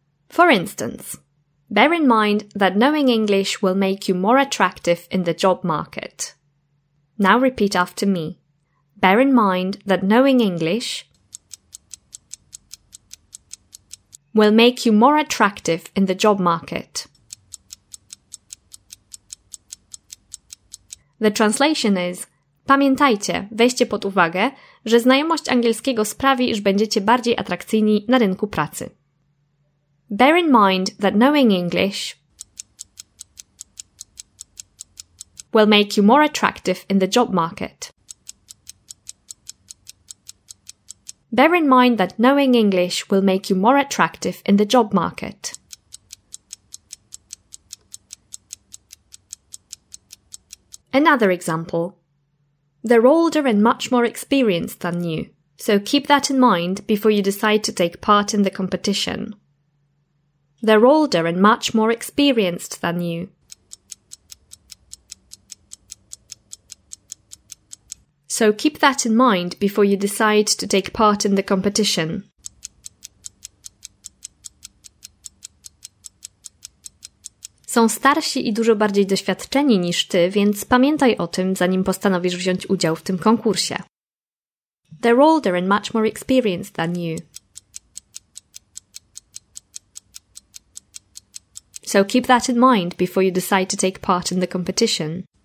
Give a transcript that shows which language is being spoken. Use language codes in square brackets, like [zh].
[en] For instance, bear in mind that knowing English will make you more attractive in the job market. Now repeat after me. Bear in mind that knowing English will make you more attractive in the job market. The translation is: [pl] Pamiętajcie, weźcie pod uwagę, że znajomość angielskiego sprawi, iż będziecie bardziej atrakcyjni na rynku pracy. [en] Bear in mind that knowing English will make you more attractive in the job market. Bear in mind that knowing English will make you more attractive in the job market. Another example. They're older and much more experienced than you, so keep that in mind before you decide to take part in the competition. They're older and much more experienced than you. So keep that in mind before you decide to take part in the competition. [pl] Są starsi i dużo bardziej doświadczeni niż ty, więc pamiętaj o tym, zanim postanowisz wziąć udział w tym konkursie. [en] They're older and much more experienced than you. So keep that in mind before you decide to take part in the competition.